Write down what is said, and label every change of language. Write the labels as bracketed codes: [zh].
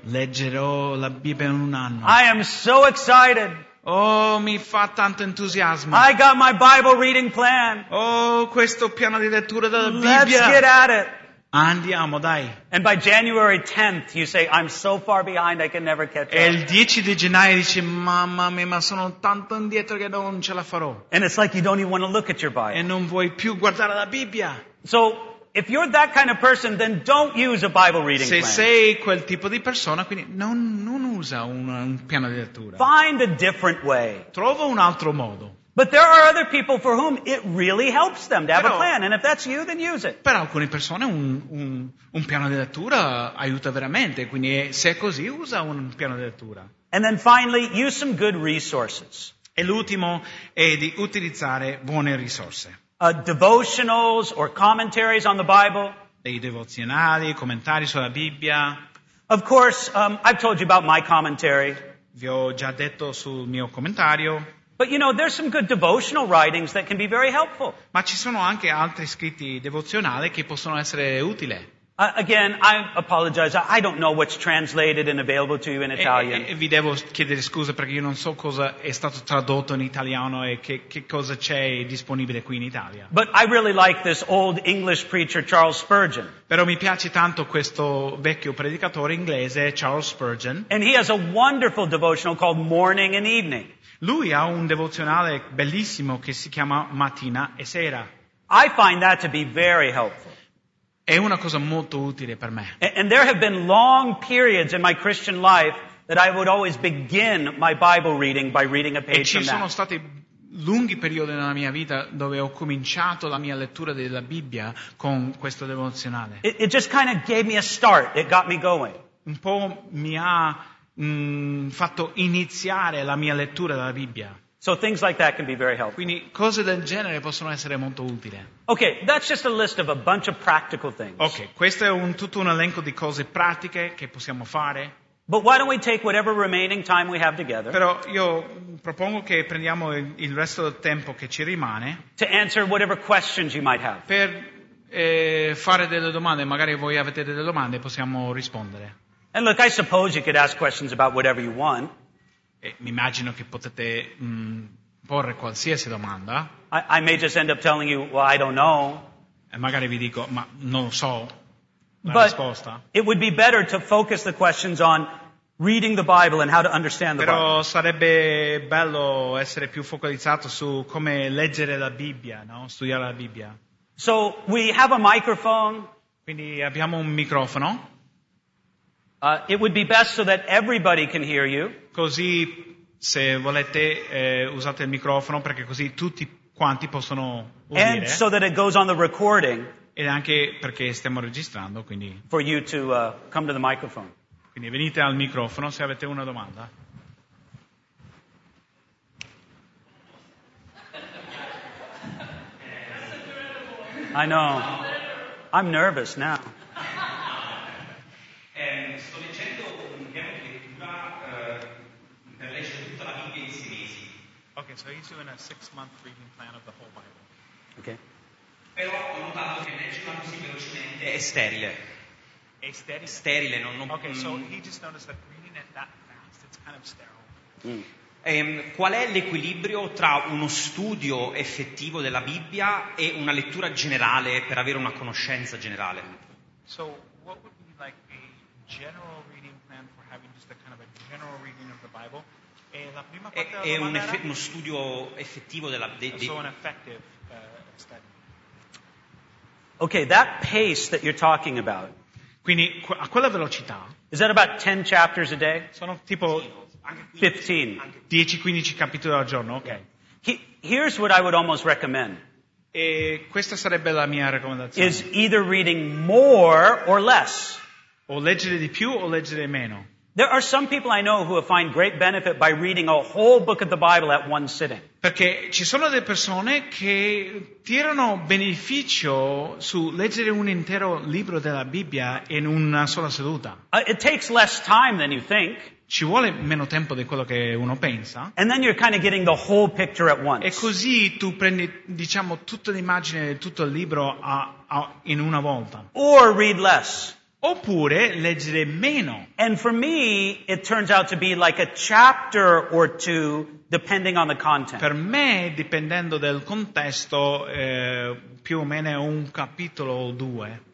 [it] Leggerò la Bibbia in un anno. [en] I am so excited. [it] Oh, mi fa tanto entusiasmo. [en] I got my Bible reading plan. [it] Oh, questo piano di lettura della [en] Let's [it] Bibbia. [en] Let's get at it. [it] Andiamo, dai. [en] And by January 10th, you say, I'm so far behind, I can never catch up. [it] E il 10 di gennaio dici, mamma mia, ma sono tanto indietro che non ce la farò. [en] And it's like you don't even want to look at your Bible. [it] E non vuoi più guardare la Bibbia. [en] So, if you're that kind of person, then don't use a Bible reading [it] Se [en] plan. [it] Se sei quel tipo di persona, quindi non usa un piano di lettura. [en] Find a different way. [it] Trova un altro modo. [en] But there are other people for whom it really helps them to have a plan. And if that's you, then use it. [it] Per alcune persone un piano di lettura aiuta veramente. Quindi se è così, usa un piano di lettura. [en] And then finally, use some good resources. [it] E l'ultimo è di utilizzare buone risorse. [en] Devotionals or commentaries on the Bible. [it] Dei devozionali, commentari sulla Bibbia. [en] Of course, I've told you about my commentary. [it] Vi ho già detto sul mio commentario. [en] But you know, there's some good devotional writings that can be very helpful. [it] Ma ci sono anche altri scritti devozionali che possono essere utili. [en] Again, I apologize. I don't know what's translated and available to you in Italian. [it] E vi devo chiedere scusa perché io non so cosa è stato tradotto in italiano e che cosa c'è disponibile qui in Italia. [en] But I really like this old English preacher Charles Spurgeon. [it] Però mi piace tanto questo vecchio predicatore inglese Charles Spurgeon. [en] And he has a wonderful devotional called Morning and Evening. [it] Lui ha un devozionale bellissimo che si chiama Mattina e Sera. [en] I find that to be very helpful. [it] È una cosa molto utile per me. [en] And there have been long periods in my Christian life that I would always begin my Bible reading by reading a page from that. [it] E ci sono stati lunghi periodi nella mia vita dove ho cominciato la mia lettura della Bibbia con questo devozionale. [en] It just kind of gave me a start. It got me going. [it] Un po' mi ha fatto iniziare la mia lettura della Bibbia. [en] So things like that can be very helpful. [it] Quindi cose del genere possono essere molto utili. [en] Okay, that's just a list of a bunch of practical things. [it] Okay, questo è tutto un elenco di cose pratiche che possiamo fare. [en] But why don't we take whatever remaining time we have together? [it] Però io propongo che prendiamo il resto del tempo che ci rimane. [en] To answer whatever questions you might have. [it] Per fare delle domande, magari voi avete delle domande, possiamo rispondere. [en] And look, I suppose you could ask questions about whatever you want. [it] Mi immagino che potete porre qualsiasi domanda. [en] I may just end up telling you, well, I don't know. [it] E magari vi dico, ma non lo so la risposta. [en] But it would be better to focus the questions on reading the Bible and how to understand the [it] Però [en] Bible. [it] Però sarebbe bello essere più focalizzato su come leggere la Bibbia, no? Studiare la Bibbia. [en] So we have a microphone. [it] Quindi abbiamo un microfono. [en] It would be best so that everybody can hear you. [it] Così, se volete, usate il microfono perché così tutti quanti possono udire. [en] And so that it goes on the recording. [it] E anche perché stiamo registrando, quindi. [en] For you to come to the microphone. [it] Quindi venite al microfono se avete una domanda. [en] I know. I'm nervous now. [it] Sto leggendo un piano di lettura per leggere tutta la Bibbia in 6 mesi. [en] Ok, so he's doing a 6-month reading plan of the whole Bible. Okay. [it] Però ho notato che leggendo così velocemente è sterile. È sterile. Sterile, non, non. [en] Okay, so he just noticed that reading it that fast, it's kind of sterile. Mm. [it] Qual è l'equilibrio tra uno studio effettivo della Bibbia e una lettura generale per avere una conoscenza generale? [en] So what would be like a general reading plan for having just a kind of a general reading of the Bible? [it] E la prima parte è un uno studio effettivo della Bibbia. [en] Okay, that pace that you're talking about. [it] Quindi a quella velocità. [en] Is that about 10 chapters a day? [it] Sono tipo 15. 10-15 capitoli al giorno, ok. [en] Here's what I would almost recommend. [it] E questa sarebbe la mia raccomandazione. [en] Is either reading more or less. [it] O leggere di più o leggere meno. [en] There are some people I know who have find great benefit by reading a whole book of the Bible at one sitting. [it] Perché ci sono delle persone che tirano beneficio su leggere un intero libro della Bibbia in una sola seduta. [en] It takes less time than you think. [it] Ci vuole meno tempo di quello che uno pensa. [en] And then you're kind of getting the whole picture at once. [it] E così tu prendi, diciamo, tutta l'immagine, tutto il libro in una volta. [en] Or read less. [it] Oppure leggere meno. [en] And for me, it turns out to be like a chapter or two, depending on the content. [it] Per me, dipendendo dal contesto, più o meno un capitolo o due.